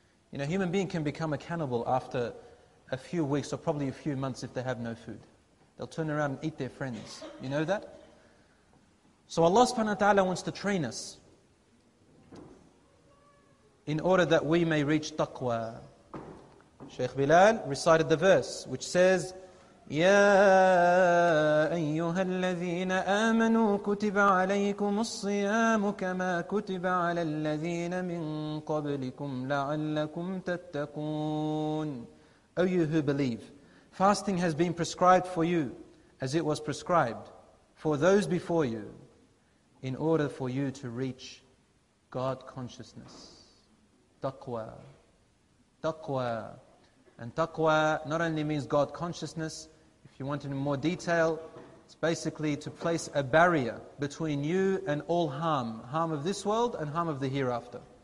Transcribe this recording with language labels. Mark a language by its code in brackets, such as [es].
[en] You know, a human being can become a cannibal after a few weeks or probably a few months if they have no food. They'll turn around and eat their friends. You know that? So Allah subhanahu wa ta'ala wants to train us in order that we may reach taqwa. Shaykh Bilal recited the verse which says, [ar] يَا أَيُّهَا الَّذِينَ آمَنُوا كُتِبَ عَلَيْكُمُ الصِّيَامُ كَمَا كُتِبَ عَلَى الَّذِينَ مِنْ قَبْلِكُمْ لَعَلَّكُمْ تَتَّقُونَ. [en] O you who believe, fasting has been prescribed for you as it was prescribed for those before you in order for you to reach God consciousness. Taqwa. Taqwa. And taqwa not only means God consciousness, if you want it in more detail, it's basically to place a barrier between you and all harm, harm of this world and harm of the hereafter.